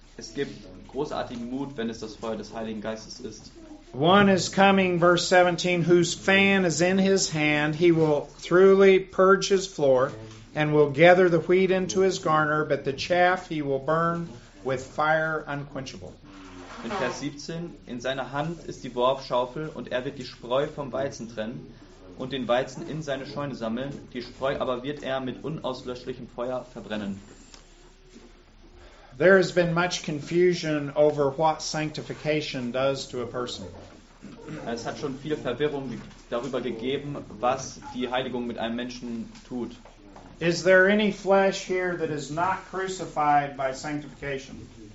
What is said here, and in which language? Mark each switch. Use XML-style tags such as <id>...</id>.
<de>Es gibt großartigen Mut, wenn es das Feuer des Heiligen Geistes ist.</de> <en>One is coming, verse 17, whose fan is in his hand, he will thoroughly purge his floor and will gather the wheat into his garner, but the chaff he will burn with fire unquenchable.</en> <de>In Vers 17, in seiner Hand ist die Worfschaufel und er wird die Spreu vom Weizen trennen und den Weizen in seine Scheune sammeln, die Spreu aber wird er mit unauslöschlichem Feuer verbrennen.</de> <en>There has been much confusion over what sanctification does to a person.</en> <de>Es hat schon viel Verwirrung darüber gegeben, was die Heiligung mit einem Menschen tut.</de> <en>Is there any flesh here that is not crucified by sanctification?</en>